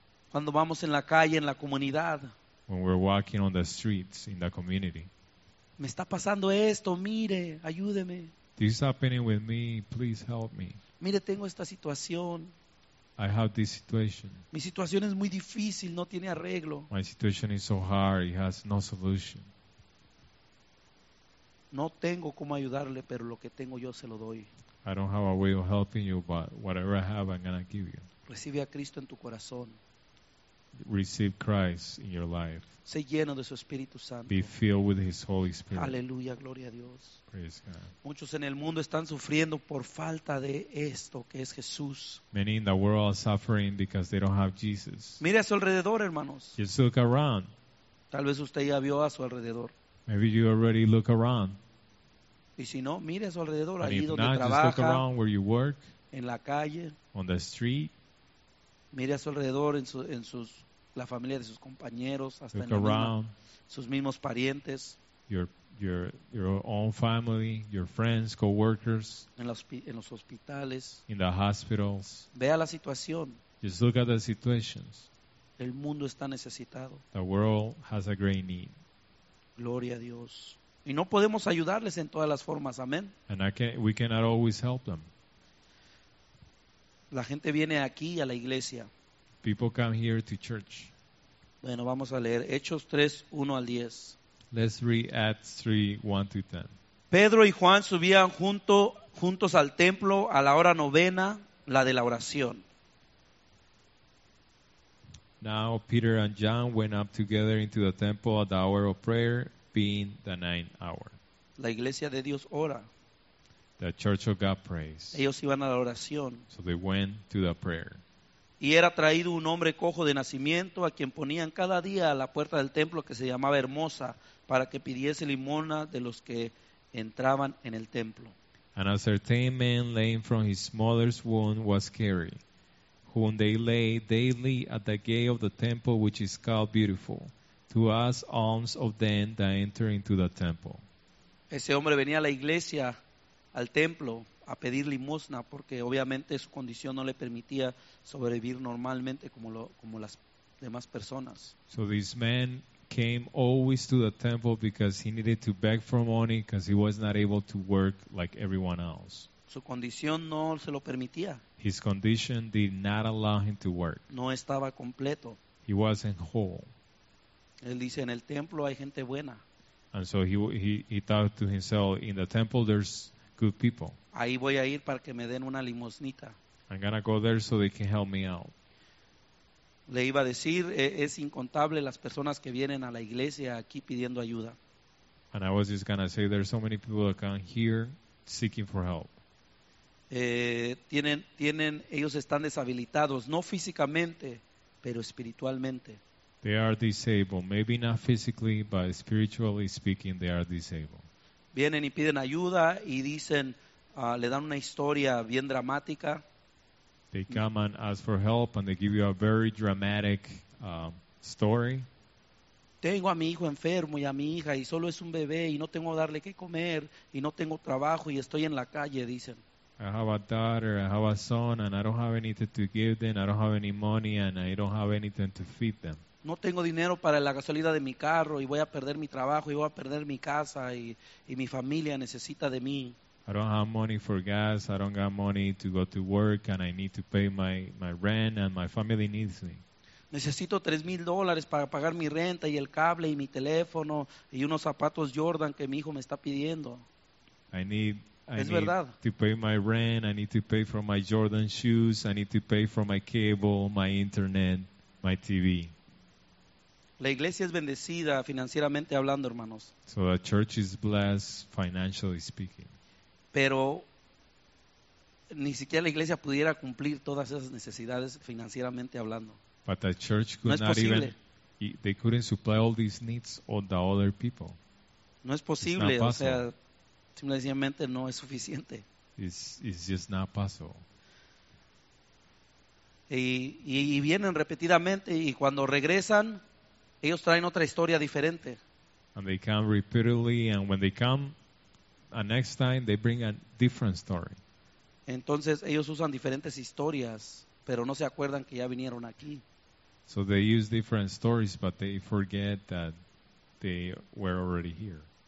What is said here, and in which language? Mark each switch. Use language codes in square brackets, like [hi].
[es] Cuando vamos en la calle, en la comunidad. [en] When we're walking on the streets in the community. [es] Me está pasando esto, mire, ayúdeme. [en] This is happening with me, please help me. [es] Mire, tengo esta situación. [en] I have this situation. [es] Mi situación es muy difícil, no tiene arreglo. [en] My situation is so hard, it has no solution. [es] No tengo cómo ayudarle, pero lo que tengo yo se lo doy. [en] I don't have a way of helping you, but whatever I have, I'm going to give you. [es] Recibe a Cristo en tu corazón. [en] Receive Christ in your life. [es] Sé lleno de su Espíritu Santo. [en] Be filled with His Holy Spirit. [es] Aleluya, gloria a Dios. [en] Praise God. [es] Muchos en el mundo están sufriendo por falta de esto que es Jesús. [en] Many in the world are suffering because they don't have Jesus. [es] Mire a su alrededor, hermanos. [en] Just look around. [es] Tal vez usted ya vio a su alrededor. [en] Maybe you already look around. [es] Y si no, mire a su alrededor, [en] and [es] allí [en] if [es] donde [en] not, [es] trabaja. [en] Just look around where you work. [es] En la calle. [en] On the street. [es] Mire a su alrededor en la familia de sus compañeros, hasta en la misma, sus mismos parientes. [en] Your own family, your friends, coworkers. [es] En los hospitales. [en] In the hospitals. [es] Vea la situación. [en] Just look at the situations. [es] El mundo está necesitado. [en] The world has a great need. [es] Gloria a Dios. Y no podemos ayudarles en todas las formas, amén. [en] And I can't, we cannot always help them. [es] La gente viene aquí a la iglesia. [en] People come here to church. [es] Bueno, vamos a leer Hechos 3, 1 al 10. [en] Let's read Acts 3, 1 to 10. [es] Pedro y Juan subían juntos al templo a la hora novena, la de la oración. [en] Now Peter and John went up together into the temple at the hour of prayer, being the ninth hour. [es] La iglesia de Dios ora. [en] The church of God prays. [es] Ellos iban a la oración. [en] So they went to the prayer. [es] Y era traído un hombre cojo de nacimiento a quien ponían cada día a la puerta del templo que se llamaba Hermosa para que pidiese limosna de los que entraban en el templo. [en] And a certain man lame from his mother's womb was carried, whom they laid daily at the gate of the temple which is called Beautiful, to ask alms of them that enter into the temple. [es] Ese hombre venía a la iglesia, al templo, a pedir limosna porque obviamente su condición no le permitía sobrevivir normalmente como las demás personas. [en] So this man came always to the temple because he needed to beg for money because he was not able to work like everyone else. [es] Su condición no se lo permitía. [en] His condition did not allow him to work. [es] No estaba completo. [en] He wasn't whole. [es] Él dice, en el templo hay gente buena. [en] And so he thought to himself, in the temple there's good people. [es] Ahí voy a ir para que me den una limosnita. [en] I'm gonna go there so they can help me out. [es] Le iba a decir, es incontable las personas que vienen a la iglesia aquí pidiendo ayuda. [en] And I was just gonna say, there's so many people that come here seeking for help. [es] Tienen, ellos están deshabilitados, no físicamente, pero espiritualmente. [en] They are disabled, maybe not physically, but spiritually speaking, they are disabled. [es] Vienen y piden ayuda y dicen, le dan una historia bien dramática. [en] They come and ask for help and they give you a very dramatic story. [es] Tengo a mi hijo enfermo y a mi hija y solo es un bebé y no tengo darle qué comer y no tengo trabajo y estoy en la calle, dicen. [en] I have a daughter, I have a son, and I don't have anything to give them. I don't have any money, and I don't have anything to feed them. [es] No tengo dinero para la gasolina de mi carro, y voy a perder mi trabajo, y voy a perder mi casa, y mi familia necesita de mí. [en] I don't have money for gas, I don't got money to go to work, and I need to pay my rent, and my family needs me. [es] Necesito $3,000 para pagar mi renta, y el cable, y mi teléfono, y unos zapatos Jordan que mi hijo me está pidiendo. [en] I need to pay my rent, I need to pay for my Jordan shoes, I need to pay for my cable, my internet, my TV. [es] La iglesia es bendecida financieramente hablando, hermanos. [en] So the church is blessed financially speaking. [es] Pero ni siquiera la iglesia pudiera cumplir todas esas necesidades financieramente hablando. [en] But the church could [es] no [en] not [es] posible. [en] Even they couldn't supply all these needs of the other people. [es] No es posible, o sea, simplemente no es suficiente. [en] It's just not possible. [es] Y vienen repetidamente y cuando regresan, ellos traen otra historia diferente. [en] And they come repeatedly, and when they come a next time, they bring a different story. [es] Entonces ellos usan diferentes historias, pero no se acuerdan que ya vinieron aquí. [en] So they use different stories, but they forget that they were already here.